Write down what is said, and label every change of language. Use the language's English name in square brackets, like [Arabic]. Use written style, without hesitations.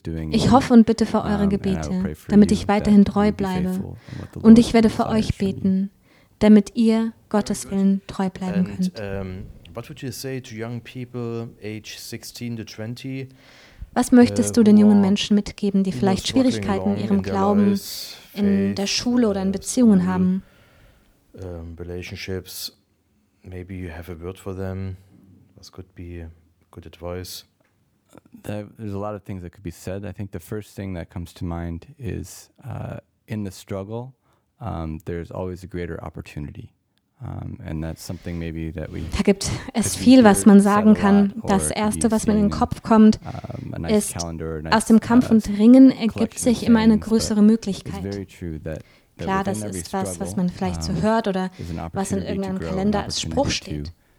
[German] Ich hoffe und bitte für eure Gebete, damit ich weiterhin treu bleibe. Und ich werde für euch beten, damit ihr Gottes Willen treu bleiben könnt. [English] What would you say to young people age 16 to 20? [German] Was möchtest du den jungen Menschen mitgeben, die vielleicht Schwierigkeiten in ihrem Glauben, in der Schule oder in Beziehungen haben? [English] Relationships, maybe you have a word for them. This could be good advice. There's a lot of things that could be said. I think the first thing that comes to mind is in the struggle, there's always a greater opportunity. And that's something maybe that we [German] da gibt es viel, was man sagen kann. Das Erste, was mir in den Kopf kommt, ist, aus dem Kampf und Ringen ergibt sich immer eine größere Möglichkeit. Klar, das ist was, was man vielleicht so hört oder was in irgendeinem Kalender als Spruch steht.